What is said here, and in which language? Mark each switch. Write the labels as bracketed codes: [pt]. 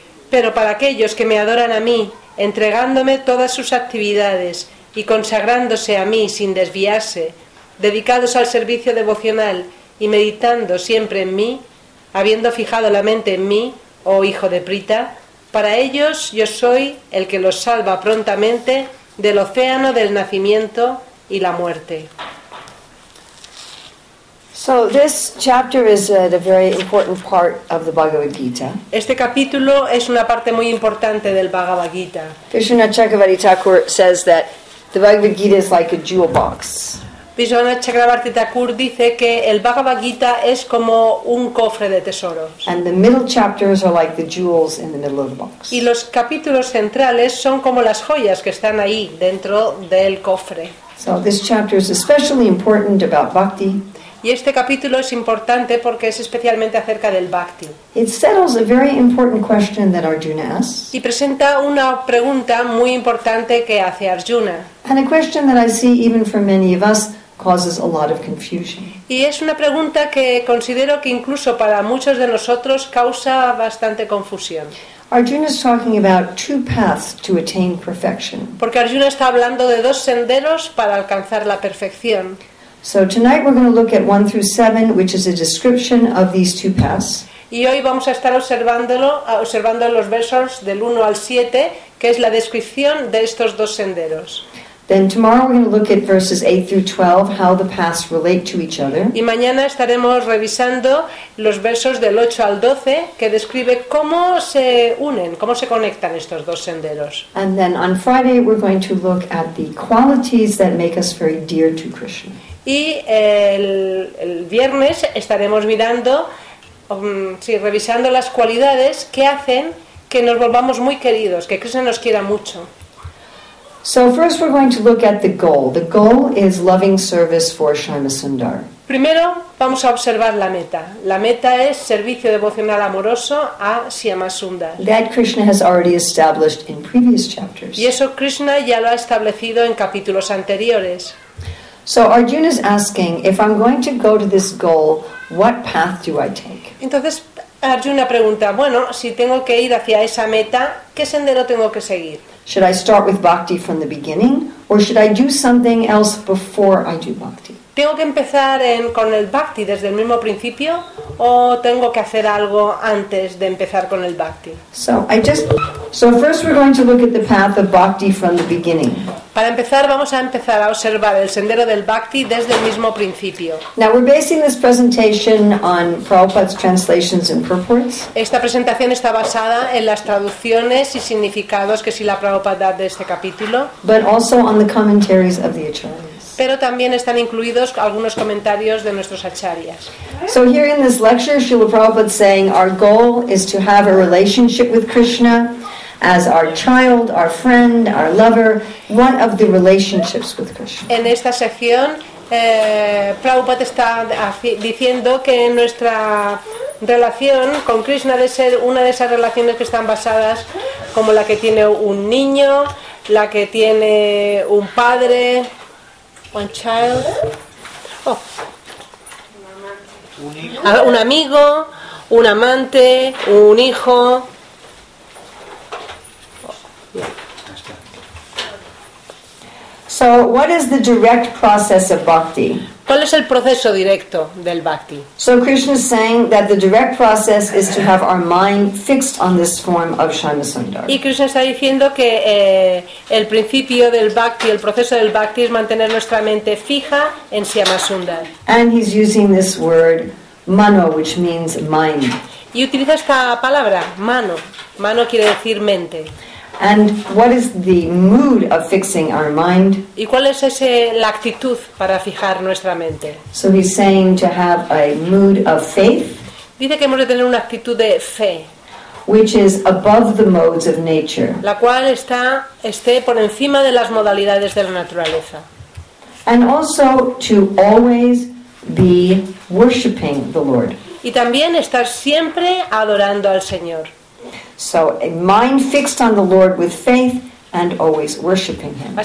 [es] Pero para aquellos que me adoran a mí, entregándome todas sus actividades y consagrándose a mí sin desviarse, dedicados al servicio devocional y meditando siempre en mí, habiendo fijado la mente en mí, oh hijo de Prita, para ellos yo soy el que los salva prontamente del océano del nacimiento y la muerte. [en] So this chapter is the very important part of the Bhagavad Gita. [es] Este capítulo es una parte muy importante del Bhagavad Gita. [en] Vishwanath Chakravarti Thakur says that the Bhagavad Gita is like a jewel box. [es] Vishwanath Chakravarti Thakur dice que el Bhagavad Gita es como un cofre de tesoros. [en] And the middle chapters are like the jewels in the middle of the box. [es] Y los capítulos centrales son como las joyas que están ahí dentro del cofre. [en] So this chapter is especially important about bhakti. [es] Y este capítulo es importante porque es especialmente acerca del bhakti. [en] It settles a very important question that Arjuna asks. [es] Y presenta una pregunta muy importante que hace Arjuna. [en] And a question that I see even for many of us causes a lot of confusion. [es] Y es una pregunta que considero que incluso para muchos de nosotros causa bastante confusión. [en] Arjuna is talking about two paths to attain perfection. [es] Porque Arjuna está hablando de dos senderos para alcanzar la perfección. [en] So tonight we're going to look at 1 through 7, which is a description of these two paths. [es] Y hoy vamos a estar observando los versos del 1 al 7, que es la descripción de estos dos senderos. [en] Then tomorrow we're going to look at verses 8 through 12, how the paths relate to each other. [es] Y mañana estaremos revisando los versos del 8 al 12, que describe cómo se unen, cómo se conectan estos dos senderos. [en] And then on Friday we're going to look at the qualities that make us very dear to Krishna. [es] Y el viernes estaremos mirando, revisando las cualidades que hacen que nos volvamos muy queridos, que Krishna nos quiera mucho. [en] So first we're going to look at the goal. The goal is loving service for Shyama Sundar. [es] Primero vamos a observar la meta. La meta es servicio devocional amoroso a Shyama Sundar. [en] That Krishna has already established in previous chapters. [es] Y eso Krishna ya lo ha establecido en capítulos anteriores. [en] So Arjuna is asking, if I'm going to go to this goal, what path do I take? [es] Entonces Arjuna pregunta, bueno, si tengo que ir hacia esa meta, ¿qué sendero tengo que seguir? [en] Should I start with bhakti from the beginning, or should I do something else before I do bhakti? [es] ¿Tengo que empezar con el bhakti desde el mismo principio, o tengo que hacer algo antes de empezar con el bhakti? [en] So first we're going to look at the path of bhakti from the beginning. [es] Para empezar, vamos a empezar a observar el sendero del Bhakti desde el mismo principio. [en] Now we're basing this presentation on Prabhupada's translations and purports. [es] Esta presentación está basada en las traducciones y significados que Srila Prabhupada da de este capítulo. [en] But also on the commentaries of the Acharyas. [es] Pero también están incluidos algunos comentarios de nuestros acharyas. [en] So here in this lecture, Srila Prabhupada is saying our goal is to have a relationship with Krishna as our child, our friend, our lover, one of the relationships with Krishna. [es] En esta sección, Prabhupada está diciendo que nuestra relación con Krishna debe ser una de esas relaciones que están basadas como la que tiene un niño, la que tiene un padre. [en] One child. Oh. [es] Un amigo, un amante, un hijo. [en] So, what is the direct process of bhakti? [es] ¿Cuál es el proceso directo del bhakti? [en] So Krishna is saying that the direct process is to have our mind fixed on this form of Shyama Sundara. [es] Y Krishna está diciendo que el principio del bhakti, el proceso del bhakti, es mantener nuestra mente fija en Shyama Sundara. [en] And he's using this word mano, which means mind. [es] Y utiliza esta palabra mano. Mano quiere decir mente. [en] And what is the mood of fixing our mind? [es] ¿Y cuál es ese la actitud para fijar nuestra mente? [en] So he's saying to have a mood of faith. [es] Dice que hemos de tener una actitud de fe. [en] Which is above the modes of nature. [es] La cual esté por encima de las modalidades de la naturaleza. [en] And also to always be worshiping the Lord. [es] Y también estar siempre adorando al Señor. [en] So a mind fixed on the Lord with faith and always worshiping Him.